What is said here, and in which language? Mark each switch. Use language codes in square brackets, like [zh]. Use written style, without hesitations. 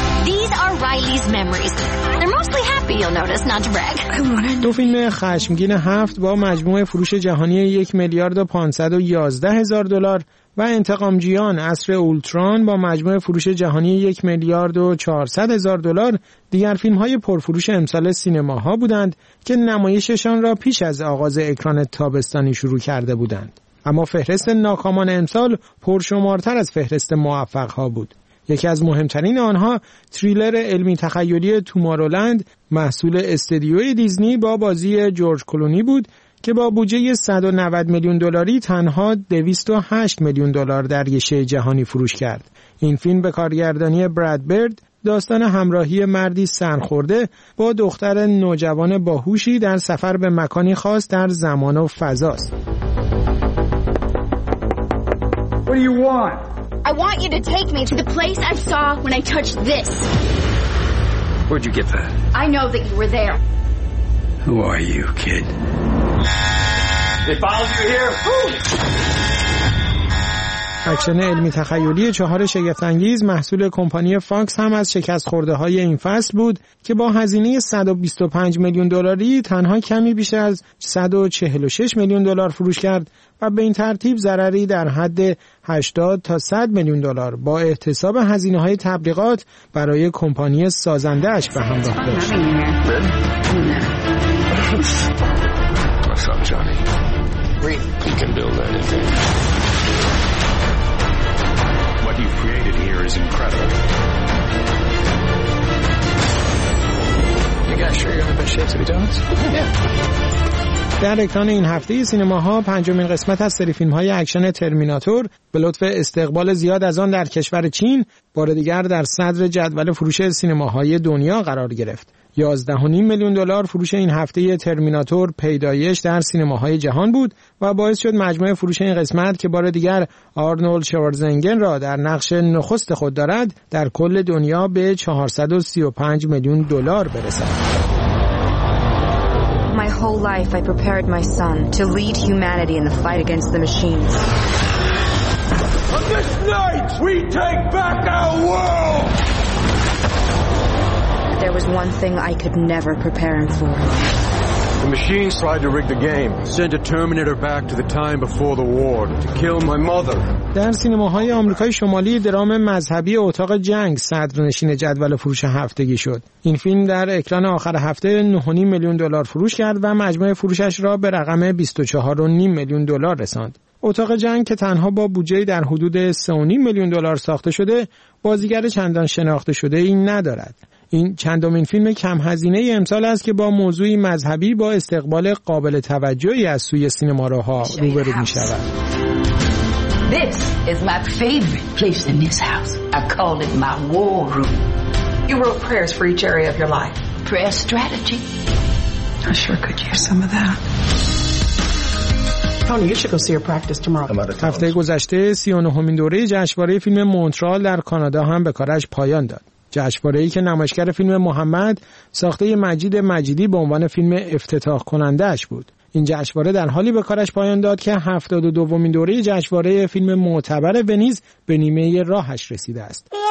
[en] These are Riley's memories. They're mostly happy, you'll notice, not to brag. [fa] دو فیلم خشمگین هفت با مجموع فروش جهانی 1,511,000 دلار و انتقامجویان عصر اولتران با مجموع فروش جهانی 1,400,000 دلار دیگر فیلم های پرفروش امسال سینماها بودند که نمایششان را پیش از آغاز اکران تابستانی شروع کرده بودند. اما فهرست ناکامان امسال پرشمارتر از فهرست موفق ها بود. یکی از مهمترین آنها تریلر علمی تخیلی تومارولند محصول استدیوی دیزنی با بازی جورج کلونی بود که با بودجه 190 میلیون دلاری تنها 208 میلیون دلار در یشه جهانی فروش کرد. این فیلم به کارگردانی براد برد داستان همراهی مردی سرخورده با دختر نوجوان باهوشی در سفر به مکانی خاص در زمان و فضا است. [en] What do you want? I want you to take me to the place I saw when I touched this. Where'd you get that? I know that you were there. Who are you, kid? [fa] اکشن علمی تخیلی چهار شگفت‌انگیز محصول کمپانی فاکس هم از شکست خورده های این فصل بود که با هزینه 125 میلیون دلاری تنها کمی بیش از 146 میلیون دلار فروش کرد و به این ترتیب ضرری در حد 80 تا 100 میلیون دلار با احتساب هزینه های تبلیغات برای کمپانی سازنده اش به همراه داشت. [en] From Johnny. Great. He can build anything. What you've created here is incredible. You guys sure you haven't been shit [fa] در اکران این هفته سینماها پنجمین قسمت از سری فیلم‌های اکشن ترمیناتور به لطف استقبال زیاد از آن در کشور چین بار دیگر در صدر جدول فروش سینماهای دنیا قرار گرفت. 11.5 میلیون دلار فروش این هفته ترمیناتور پیدایش در سینماهای جهان بود و باعث شد مجموع فروش این قسمت که بار دیگر آرنولد شوارزنگر را در نقش نخست خود دارد در کل دنیا به 435 میلیون دلار برسد. [en] My whole life I prepared my son to lead humanity in the fight against the machines. On this night we take back our world. There was one thing I could never prepare him for. The machines tried to rig the game, send a Terminator back to the time before the war to kill my mother. [fa] در سینماهای آمریکای شمالی درام مذهبی اتاق جنگ صدرنشین جدول فروش هفتگی شد. این فیلم در اکران آخر هفته 9.5 میلیون دلار فروش کرد و مجموع فروشش را به رقم 24.5 میلیون دلار رساند. اتاق جنگ که تنها با بودجه در حدود 3.5 میلیون دلار ساخته شده، بازیگر چندان شناخته شده ای ندارد. این چندمین فیلم کم هزینه ای امسال است که با موضوعی مذهبی با استقبال قابل توجهی از سوی سینماروها روبرو می شود. [en] This is my favorite place in this house. I call it my war room. You wrote prayers for each area of your life. Prayer strategy. I sure could use some of that. [fa] هفته گذشته 39مین دوره جشنواره فیلم مونترال در کانادا هم به کارش پایان داد. جشنواره‌ای که نمایشگر فیلم محمد ساخته مجید مجیدی به عنوان فیلم افتتاح کننده‌اش بود. این جشنواره در حالی به کارش پایان داد که 72مین دوره جشنواره فیلم معتبر ونیز به نیمه راهش رسیده است.